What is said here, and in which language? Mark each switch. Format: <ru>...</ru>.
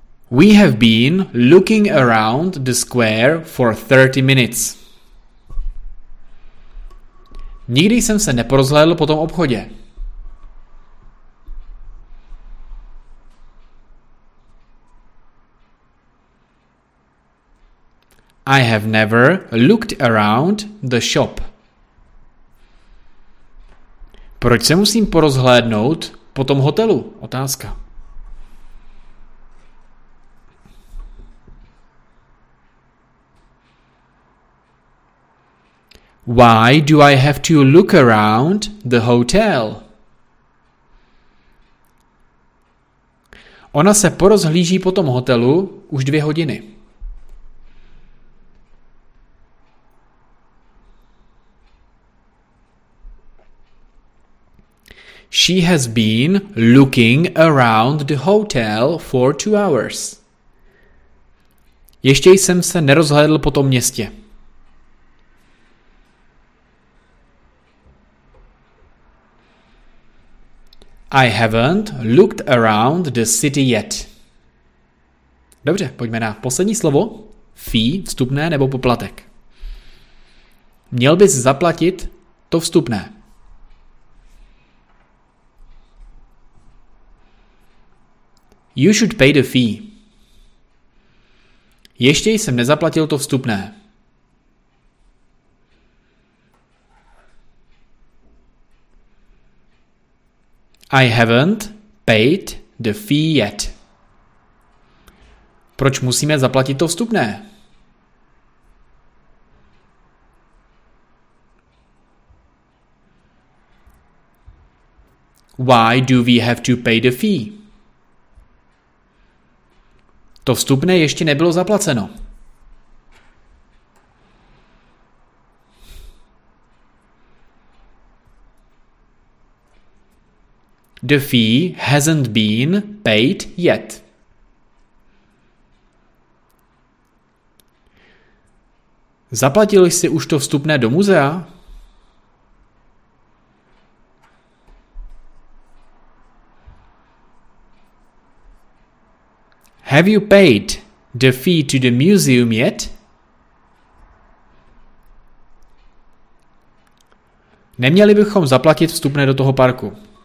<en>We have been looking around the square for 30 minutes.</en> <cs>Nikdy jsem se neporozhlédl po tom obchodě.</cs> <en>I have never looked around the shop.</en> <cs>Proč se musím porozhlédnout po tom hotelu? Otázka.</cs> <en>Why do I have to look around the hotel?</en> <cs>Ona se porozhlíží po tom hotelu už 2 hodiny.</cs> <en>She has been looking around the hotel for 2 hours.</en> <cs>Ještě jsem se nerozhlédl po tom městě.</cs> <en>I haven't looked around the city yet.</en> <cs>Dobře, pojďme na poslední slovo. Fee, vstupné nebo poplatek. Měl bys zaplatit to vstupné.</cs> <en>You should pay the fee.</en> <cs>Ještě jsem nezaplatil to vstupné.</cs> <en>I haven't paid the fee yet.</en> <cs>Proč musíme zaplatit to vstupné?</cs> <en>Why do we have to pay the fee?</en> <cs>To vstupné ještě nebylo zaplaceno.</cs> <en>The fee hasn't been paid yet.</en> <cs>Zaplatil jsi už to vstupné do muzea?</cs> <en>Have you paid the fee to the museum yet?</en> <cs>Neměli bychom zaplatit vstupné do toho parku.</cs>